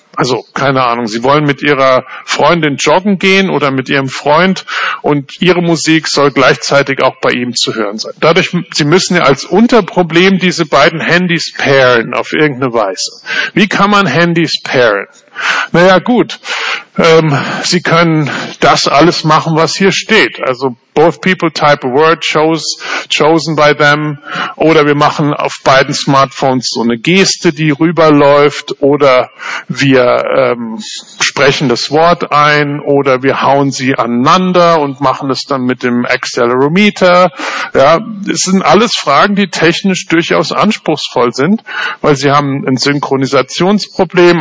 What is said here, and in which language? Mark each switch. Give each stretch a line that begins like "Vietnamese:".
German: Also, keine Ahnung, Sie wollen mit Ihrer Freundin joggen gehen oder mit Ihrem Freund und Ihre Musik soll gleichzeitig auch bei ihm zu hören sein. Dadurch, Sie müssen ja als Unterproblem diese beiden Handys pairen auf irgendeine Weise. Wie kann man Handys pairen? Naja, gut, Sie können das alles machen, was hier steht. Also
English: both people type a word chosen by them.
German: Oder wir machen auf beiden Smartphones so eine Geste, die rüberläuft. Oder wir sprechen das Wort ein. Oder wir hauen sie aneinander und machen es dann mit dem Accelerometer. Ja, es sind alles Fragen, die technisch durchaus anspruchsvoll sind, weil sie haben ein Synchronisationsproblem.